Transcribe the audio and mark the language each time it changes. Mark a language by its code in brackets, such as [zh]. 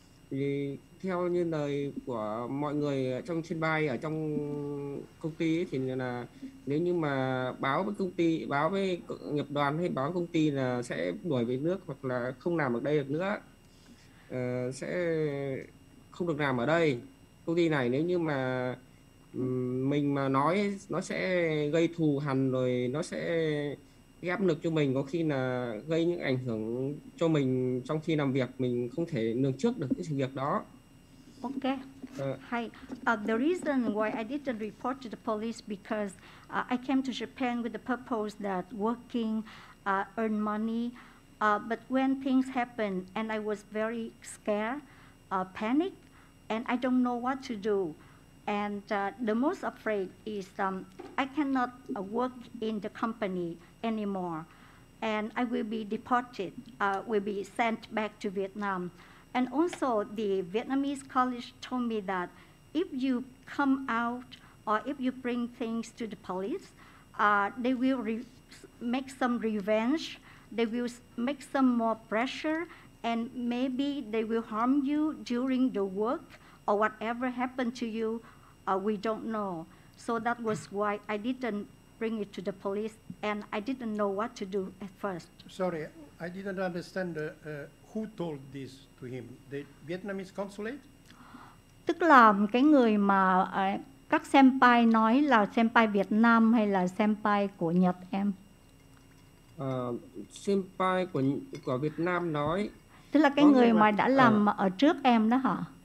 [vi] Thì theo như lời của mọi người trong trên bay ở trong công ty ấy, thì là nếu như mà báo với công ty, báo với nghiệp đoàn hay báo công ty là sẽ đuổi về nước hoặc là không làm ở đây được nữa, sẽ không được làm ở đây công ty này. Nếu như mà mình mà nói nó sẽ gây thù hằn, rồi nó sẽ ghép lực cho mình, có khi là gây những ảnh hưởng cho mình trong khi làm việc, mình không thể lường trước được cái sự việc đó. [en] Ok. Hi. The reason why I didn't report to the police because I came to Japan with the purpose that working earn money. But when things happened and I was very scared, panicked, and I don't know what to do. And the most afraid is I cannot work in the company anymore. And I will be deported, will be sent back to Vietnam. And also the Vietnamese college told me that if you come out or if you bring things to the police, they will make some revenge. They will make some more pressure, and maybe they will harm you during the work or whatever happened to you. We don't know. So that was why I didn't bring it to the police, and I didn't know what to do at first. Sorry, I didn't understand who told this to him. The Vietnamese consulate? [vi] Tức là cái người mà các senpai nói là senpai Việt Nam hay là senpai của Nhật em? Senpai của Việt Nam nói. Tức là cái người mà đã làm ở trước em đó hả?